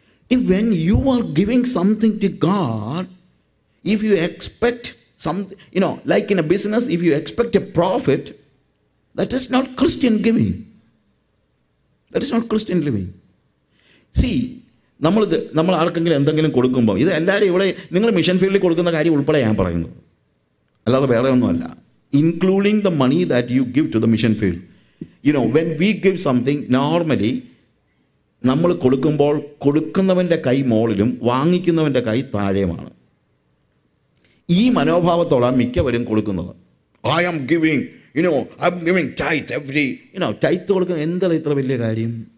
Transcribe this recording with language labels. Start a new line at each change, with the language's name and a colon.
English: If when you are giving something to God, if you expect something you know like in a business, if you expect a profit, that is not Christian giving. That is not Christian living.
Malayalam: C, നമ്മളിത് നമ്മൾ ആർക്കെങ്കിലും എന്തെങ്കിലും കൊടുക്കുമ്പോൾ, ഇത് എല്ലാവരും ഇവിടെ നിങ്ങൾ mission ഫീൽഡിൽ കൊടുക്കുന്ന കാര്യം ഉൾപ്പെടെ ഞാൻ പറയുന്നത്, അല്ലാതെ വേറെ ഒന്നുമല്ല.
English: Including the money that you give to the mission field. You know, when we give something, normally,
Malayalam: നമ്മൾ കൊടുക്കുമ്പോൾ കൊടുക്കുന്നവൻ്റെ കൈ മുകളിലും വാങ്ങിക്കുന്നവൻ്റെ കൈ താഴെയുമാണ്. ഈ മനോഭാവത്തോടാണ് മിക്കവരും കൊടുക്കുന്നത്.
English: I'm giving, you know I'm giving tithe every you know tithe
Malayalam: കൊടുക്കുന്ന എന്താ ഇത്ര വലിയ കാര്യം?